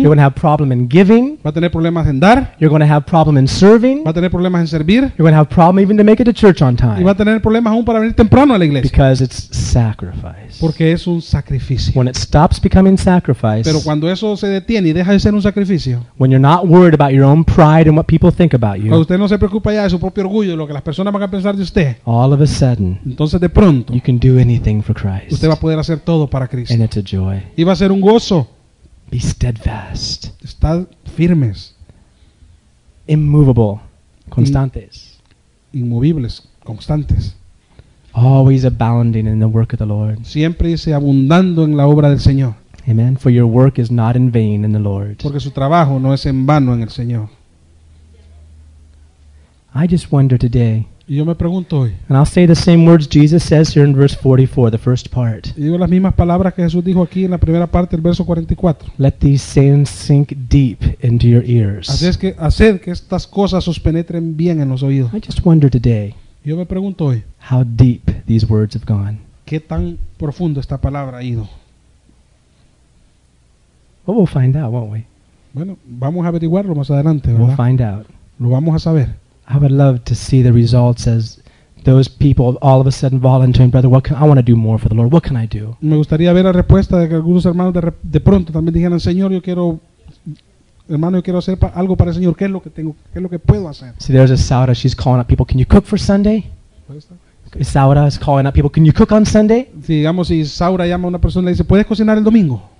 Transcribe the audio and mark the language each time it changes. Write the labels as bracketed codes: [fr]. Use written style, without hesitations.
[en] You're going to have problem in giving. [es] Va a tener problemas en dar. [en] You're going to have problem in serving. [es] Va a tener problemas en servir. [en] You're going to have problem even to make it to church on time. [es] Y va a tener problemas aún para venir temprano a la iglesia. [en] Because it's sacrifice. [es] Porque es un sacrificio. [en] When it stops becoming sacrifice. [es] Pero cuando eso se detiene y deja de ser un sacrificio. [en] When you're not worried about your own pride and what people think about you. [es] Cuando usted no se preocupa ya de su propio orgullo y lo que las personas van a pensar de usted. [en] All of a sudden. [es] Entonces de pronto. [en] You can do anything for Christ. [es] Usted va a poder hacer todo para Cristo. [en] And it's a joy. [es] Y va a ser un gozo. [en] Be steadfast. [es] Estad firmes. [en] Immovable. Constantes. [es] Inmovibles. Constantes. [en] Always abounding in the work of the Lord. [es] Siempre dice abundando en la obra del Señor. [en] Amen. For your work is not in vain in the Lord. [es] Porque su trabajo no es en vano en el Señor. [en] I just wonder today. [es] Y yo me pregunto hoy. [en] And I'll say the same words Jesus says here in verse 44, the first part. [es] Y digo las mismas palabras que Jesús dijo aquí en la primera parte del verso 44. [en] Let these sayings sink deep into your ears. [es] Así es que haced que estas cosas os penetren bien en los oídos. [en] I just wonder today. [es] Yo me pregunto hoy. [en] How deep these words have gone. [es] ¿Qué tan profundo esta palabra ha ido? [en] Well, we'll find out, won't we? [es] Bueno, vamos a averiguarlo más adelante, ¿verdad? [en] We'll find out. [es] Lo vamos a saber. [en] I would love to see the results as those people all of a sudden volunteering, brother, I want to do more for the Lord. What can I do? [es] Me gustaría ver la respuesta de que algunos hermanos de pronto también dijeran, Señor, yo quiero hacer algo para el Señor. ¿Qué es lo que tengo? ¿Qué es lo que puedo hacer? [en] See, there's a Saura. She's calling up people. Can you cook for Sunday? Saura is calling up people. Can you cook on Sunday? [es] Sí, digamos, si Saura llama a una persona y le dice, ¿puedes cocinar el domingo?